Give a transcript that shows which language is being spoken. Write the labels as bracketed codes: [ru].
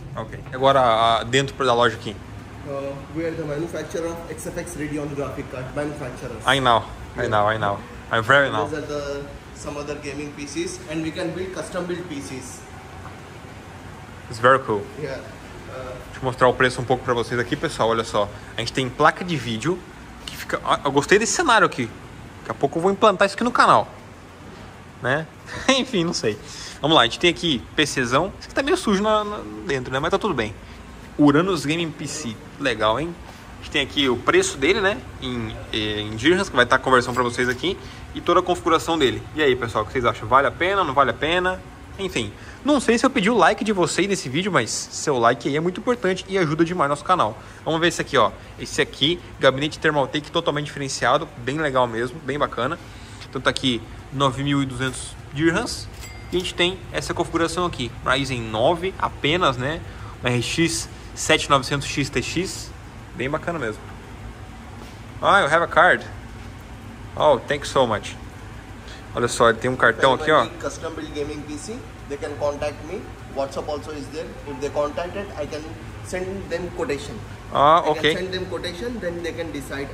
[pt] Ok, agora dentro da loja aqui. [en] We are the manufacturer of XFX Radeon graphic card manufacturers. I know, yeah. I know, I know. I'm very these now. These are the, some other gaming PCs, and we can build custom build PCs. It's very cool. Yeah. [pt] Deixa eu mostrar o preço um pouco pra vocês aqui, pessoal. Olha só, a gente tem placa de vídeo que fica. Eu gostei desse cenário aqui. Daqui a pouco eu vou implantar isso aqui no canal, né? Enfim, não sei. Vamos lá, a gente tem aqui PCzão. Esse aqui tá meio sujo dentro, né? Mas tá tudo bem. Uranus Gaming PC. Legal, hein? A gente tem aqui o preço dele, né? Em dirhams, que vai estar a conversão pra vocês aqui. E toda a configuração dele. E aí, pessoal, o que vocês acham? Vale a pena? Não vale a pena? Enfim. Não sei se eu pedi o like de vocês nesse vídeo, mas seu like aí é muito importante e ajuda demais nosso canal. Vamos ver esse aqui, ó. Esse aqui, gabinete Thermaltake totalmente diferenciado. Bem legal mesmo, bem bacana. Então tá aqui 9.200 dirhams. E a gente tem essa configuração aqui, Ryzen 9 apenas, né? Um RX 7900XTX, bem bacana mesmo. Ah, oh, eu have a card. [en] Oh, thank you so much. [pt] Olha só, ele tem um cartão aqui, ó. [en] Custom build gaming PC, they can contact me. WhatsApp also is there. If they contacted, I can send them quotation. Ah, ok. I can send them quotation, then they can decide.